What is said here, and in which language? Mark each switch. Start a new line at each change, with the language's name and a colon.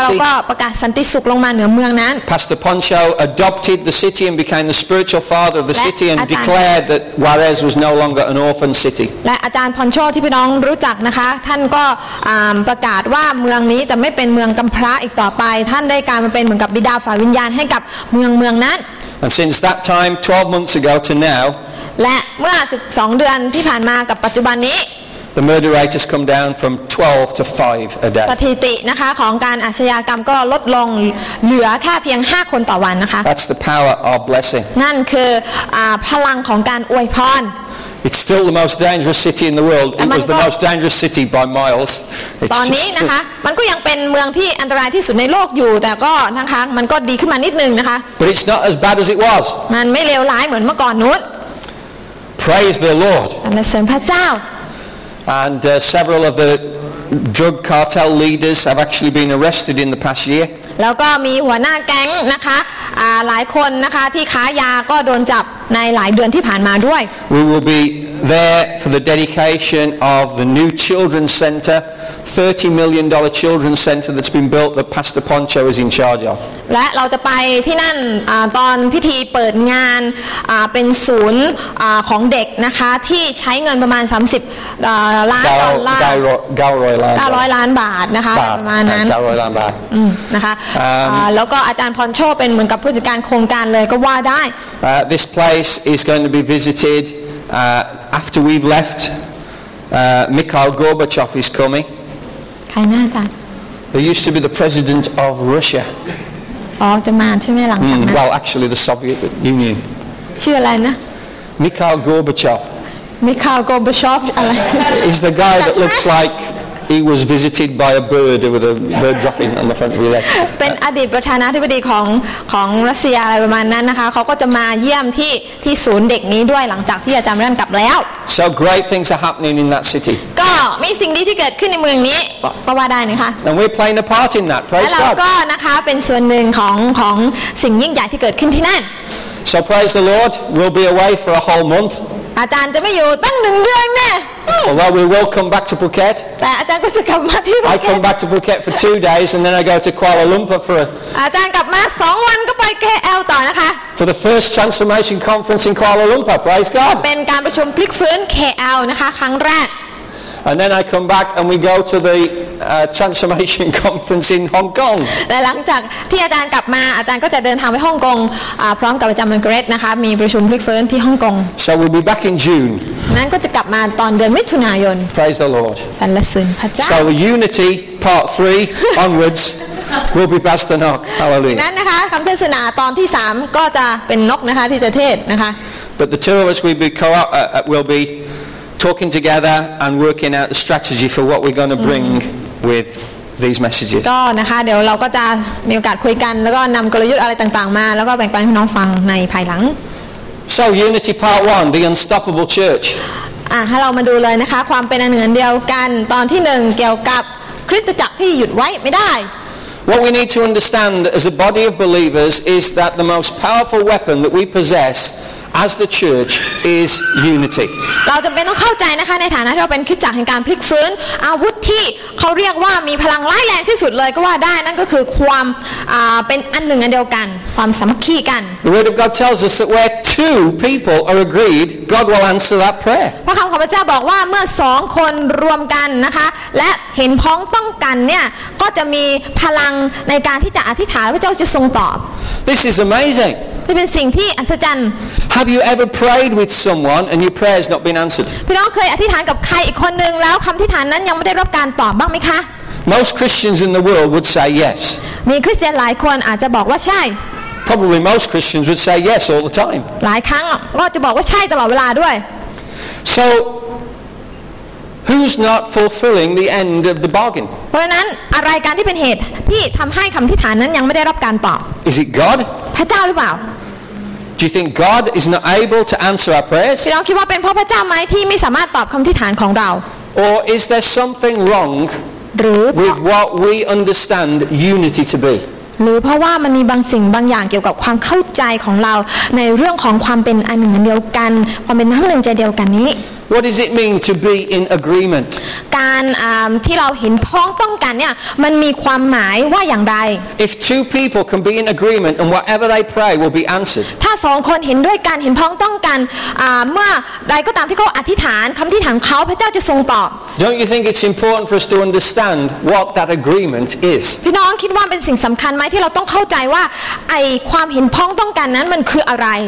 Thai: เราก็ประกาศสันติสุขลงมาเหนือเมืองนั้น
English: Pastor Poncho adopted the city and became the spiritual father of the city and declared that Juarez was no longer an orphan city
Thai: และอาจารย์ Poncho ที่พี่น้องรู้จักนะคะท่านก็ประกาศว่าเมืองนี้จะไม่เป็นเมืองกำพร้าอีกต่อไปท่านได้กลายมาเป็นเหมือนกับบิดาฝ่ายวิญญาณให้กับเมืองนั้น
English: and since that time 12 months ago to now
Thai: และเมื่อ12เดือนที่ผ่านมากับปัจจุบันนี้
English: The murder rate has come down from 12 to 5 a day
Thai: สถิตินะคะของการอาชญากรรมก็ลดลงเหลือแค่เพียง5คนต่อวันนะคะ
English: That's the power of blessing
Thai: นั่นคือพลังของการอวยพร
English: It's still the most dangerous city in the world It was the most dangerous city by miles
Thai: ตอนนี้นะคะมันก็ยังเป็นเมืองที่อันตรายที่สุดในโลกอยู่แต่ก็นะคะมันก็ดีขึ้นมานิดนึงนะคะ
English: But it's not as bad as it was
Thai: มันไม่เลวร้ายเหมือนเมื่อก่อนนู้น
English: Praise the Lord. And the same pastor. And several of the drug cartel leaders have actually been arrested in the past year.
Thai: แล้วก็มีหัวหน้าแก๊งนะคะหลายคนนะคะที่ค้ายาก็โดนจับในหลายเดือนที่ผ่านมาด้วย
English: We will be there for the dedication of the new children's center, $30 million children's center that's been built that Pastor Poncho is in charge of.
Thai: และเราจะไปที่นั่นตอนพิธีเปิดงานเป็นศูนย์ของเด็กนะคะที่ใช้เงินประมาณ30ล้านดอลลาร์ 900 ล้านบาทนะคะประมาณนั้น 900ล้านบาท นะคะแล้วก็อาจารย์พรโชเป็นเหมือนกับผู้จัดการโครงการเลยก็ว่าได้
English: This place is going to be visited after we've left Mikhail Gorbachev is coming
Thai: ใครนะอาจารย์
English: He used to be the president of Russia
Thai: อ๋อจะมาใช่ไหมหลังจากนั้น
English: Well actually the Soviet Union
Thai: ชื่ออะไรนะ
English: Mikhail Gorbachev
Thai: Mikhail Gorbachev อะไร
English: is the guy that looks likeHe was visited by a bird with a bird dropping on the front of his leg.
Thai: เป็นอดีตประธานาธิบดีของรัสเซียอะไรประมาณนั้นนะคะเขาก็จะมาเยี่ยมที่ศูนย์เด็กนี้ด้วยหลังจากที่อาจารย์เริ่มกลับแล้ว
English: So great things are happening in that city.
Thai: ก็มีสิ่งดีที่เกิดขึ้นในเมืองนี้ก็ว่าได้นะคะ
English: And we're playing a part in that. Praise God.
Thai: และเราก็นะคะเป็นส่วนหนึ่งของสิ่งยิ่งใหญ่ที่เกิดขึ้นที่นั่น
English: So praise the Lord. We'll be away for a whole month.
Thai: อาจารย์จะไม่อยู่ตั้งหนึ่งเดือนแน่
English: Well, we will come back to Phuket.
Thai: แต่อาจารย์ก็จะกลับมาที่ Phuket.
English: I come back to Phuket for 2 days, and then I go to Kuala Lumpur for a.
Thai: อาจารย์กลับมา2วันก็ไป KL ต่อนะคะ
English: For the first transformation conference in Kuala Lumpur, praise God.
Thai: เป็นการประชุมพลิกฟื้น KL นะคะครั้งแรก
English: And then I come back, and we go to the Transformation Conference in Hong Kong.
Thai: และหลังจากที่อาจารย์กลับมาอาจารย์ก็จะเดินทางไปฮ่องกงพร้อมกับอาจารย์มังกรเทศนะคะมีประชุมพลิกฟื้นที่ฮ่องกง
English: So we'll be back in June.
Thai: นั้นก็จะกลับมาตอนเดือนมิถุนายน
English: Praise the Lord.
Thai: สรรเสริญพระเจ้ า
English: So Unity Part 3 onwards will be Pastor Nok. Hallelujah.
Thai: นั้นนะคะคำเทศนาตอนที่3ก็จะเป็นนกนะคะที่จะเทศนะคะ
English: But the two of us will be talking together and working out the strategy for what we're going to bring with these messages.
Thai: ก็นะคะเดี๋ยวเราก็จะมีโอกาสคุยกันแล้วก็นำกลยุทธ์อะไรต่างๆมาแล้วก็แบ่งปันให้น้องฟังในภายหลัง
English: So Unity Part 1 The Unstoppable Church.
Thai: ให้เรามาดูเลยนะคะความเป็นอันหนึ่งอันเดียวกันตอนที่1เกี่ยวกับคริสตจักรที่หยุดไว้ไม่ได้
English: What we need to understand as a body of believers is that the most powerful weapon that we possess as the church is unity.
Thai: เราจำเป็นต้องเข้าใจนะคะในฐานะที่เราเป็นคริสตจักรแห่งการพลิกฟื้นอาวุธที่เขาเรียกว่ามีพลังร้ายแรงที่สุดเลยก็ว่าได้นั่นก็คือความเป็นอันหนึ่งอันเดียวกันความสามัคคีกัน
English: The word of God tells us that where two people are agreed, God will answer that prayer.
Thai: เพราะคำของพระเจ้าบอกว่าเมื่อสองคนรวมกันนะคะและเห็นพ้องต้องกันเนี่ยก็จะมีพลังในการที่จะอธิษฐานพระเจ้าจะทรงตอบ
English: This is amazing.
Thai: นี่เป็นสิ่งที่อัศจรรย์
English: Have you ever prayed with someone and your prayer has not been answered?
Thai: พี่น้องเคยอธิษฐานกับใครอีกคนนึงแล้วคำอธิษฐานนั้นยังไม่ได้รับการตอบบ้างไหมคะ
English: Most Christians in the world would say yes.
Thai: มีคริสเตียนหลายคนอาจจะบอกว่าใช่
English: Probably most Christians would say yes all the time.
Thai: หลายครั้งก็จะบอกว่าใช่ตลอดเวลาด้วย
English: So. Who's not fulfilling the end of the bargain?
Thai: เพราะนั้นอะไรการที่เป็นเหตุที่ทำให้คำที่ฐานนั้นยังไม่ได้รับการตอบ
English: Is it God?
Thai: พระเจ้าหรือเปล่า
English: Do you think God is not able to answer our prayers?
Thai: พี่น้องคิดว่าเป็นเพราะพระเจ้าไหมที่ไม่สามารถตอบคำที่ฐานของเรา
English: Or is there something wrong with what we understand unity to be?
Thai: หรือเพราะว่ามันมีบางสิ่งบางอย่างเกี่ยวกับความเข้าใจของเราในเรื่องของความเป็นอันหนึ่งอันเดียวกันความเป็นน้ำหนึ่งใจเดียวกันนี้
English: What does it mean to be in agreement?
Thai: การที่เราเห็นพ้องต้องกันเนี่ยมันมีความหมายว่าอย่างไร
English: If two people can be in agreement and whatever they pray will be answered.
Thai: ถ้า2คนเห็นด้วยกันเห็นพ้องต้องกันเมื่อใดก็ตามที่เขาอธิษฐานคำที่ถามเขาพระเจ้าจะทรงตอบ
English: Don't you think it's important for us to understand what that agreement is?
Thai: พี่น้องคิดว่าเป็นสิ่งสำคัญไหมที่เราต้องเข้าใจว่าไอความเห็นพ้องต้องกันนั้นมันคืออะไร